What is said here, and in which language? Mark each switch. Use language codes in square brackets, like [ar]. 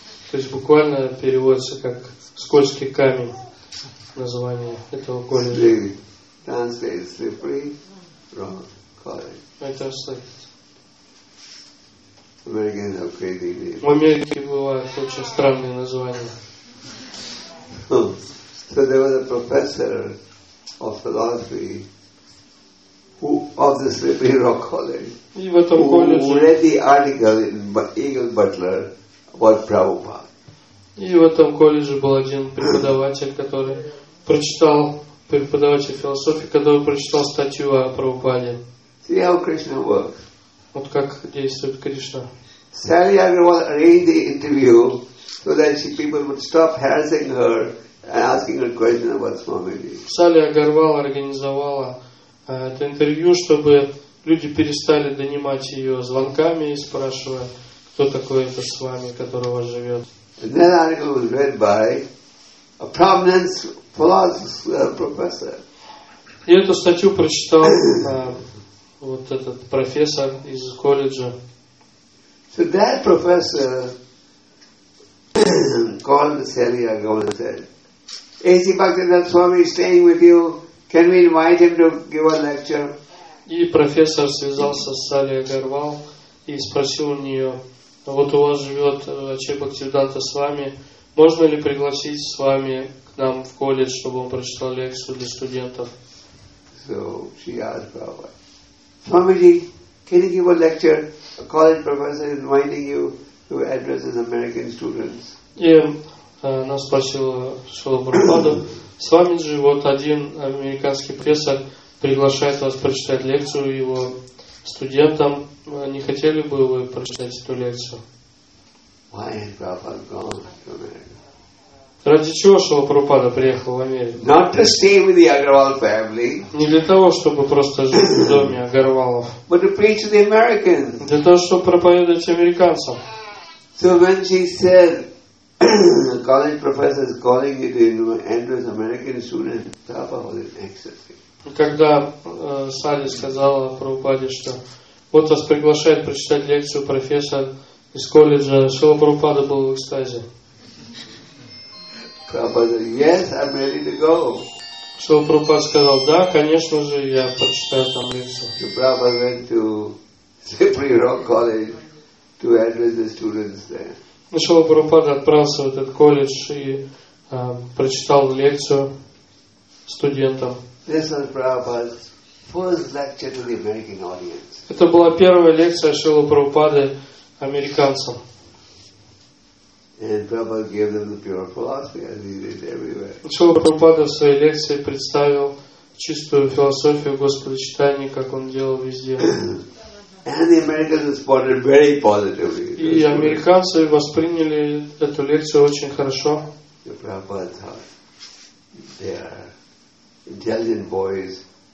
[ru] То есть буквально переводится как «скользкий камень». Название этого колледжа. [en] Slippery Rock College. [ru] Это [en] American crazy name. [ru] В Америке бывают очень странные названия. [en] So there was a professor of philosophy who of the Slippery Rock College who read the article in Eagle Butler about Prabhupada. [ru] И в этом колледже был один преподаватель, который прочитал, преподаватель философии, который прочитал статью о Прабхупаде. [en] See how Krishna works. [ru] Вот как действует Кришна. [en] Sally Agarwal arranged the interview so that she, people would stop harassing her and asking her questions about Swamiji. [ru] Sally Agarwal организовала это интервью, чтобы люди перестали донимать ее звонками и спрашивая, кто такой этот Свами, которого живет. [en] And that article was read by a prominent philosopher professor. [ru] И эту статью прочитал вот этот профессор из колледжа. [en] So that professor called Sally Agarwal and said, A.C. Bhaktivinoda Swami is staying with you. Can we invite him to give a lecture? [ru] И профессор связался с Сали Агарвал и спросил у нее: вот у вас живет Ачья Бхактивиданта Свами, можно ли пригласить Свами к нам в колледж, чтобы он прочитал лекцию для студентов? [en] So she asked Prabhupada, Swamiji, can you give a lecture? A college professor is inviting you to address his American students. [ru] И она спросила Шрилу Прабхупаду: Свамиджи, вот один американский профессор приглашает вас прочитать лекцию его студентам. Не хотели бы вы прочитать эту лекцию? [en] Why had Prabhupada gone to America? [ru] Ради чего Шрила Прабхупада приехал в Америку? [en] Not to stay with the Agarwal family. [ru] Не для того, чтобы просто жить в доме Агарвалов. [en] But to preach to the Americans. [ru] Для того, чтобы проповедовать американцам. [en] So when she said, the college professor is calling you to address American students, Prabhupada was in ecstasy. [ru] Когда Сали сказала Прабхупаде, что вот вас приглашает прочитать лекцию профессор из колледжа, Шрила Прабхупада был в экстазе. [en] Prabhupada said, yes, I'm ready to go. [ru] So Prabhupada сказал, да, конечно же, я прочитаю там лекцию. [en] So Prabhupada went to Sipri Rock College to address the students there. [ru] Ну что, Прабхупада отправился в этот колледж и прочитал лекцию студентам. [en] This was Prabhupada's first lecture to the American audience. [ru] Это была первая лекция Шрилы Прабхупады американцам. [en] And Prabhupada gave them the pure philosophy as he did everywhere. [ru] Шрила Прабхупада в своей лекции представил чистую философию Господа Читания, как он делал везде. [en] And the Americans responded very positively. [ru] И американцы восприняли эту лекцию очень хорошо. [en] The Prabhupada taught. They are intelligent boys.